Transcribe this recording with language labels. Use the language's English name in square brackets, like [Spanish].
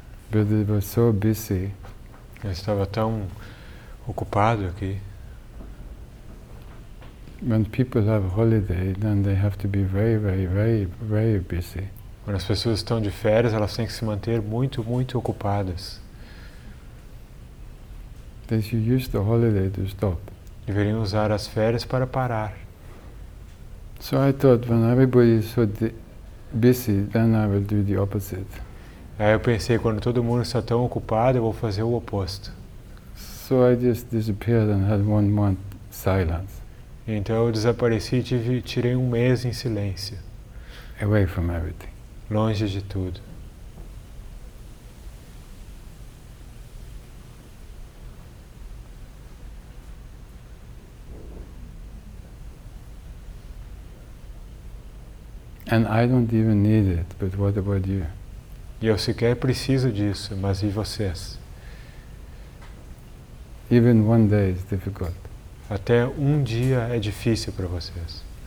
[English] But they were so busy. [Portuguese] Eu estava tão ocupado aqui. [English] When people have holiday, then they have to be very, very, very, very busy. [Portuguese] Quando as pessoas estão de férias, elas têm que se manter muito, muito ocupadas. [English] They should use the holiday to stop. [Portuguese] Deveriam usar as férias para parar. [English] So I thought, when everybody is so busy, then I will do the opposite. [Portuguese] Aí eu pensei, quando todo mundo está tão ocupado, eu vou fazer o oposto. [English] So I just disappeared and had 1 month silence. [Portuguese] Então eu desapareci e tirei 1 mês em silêncio. [English] Away from everything. [Portuguese] Longe de tudo. [English] And I don't even need it, but what about you? [Portuguese] E eu sequer preciso disso, mas e vocês? [English] Even one day is difficult. [Portuguese] Até um dia é difícil para vocês.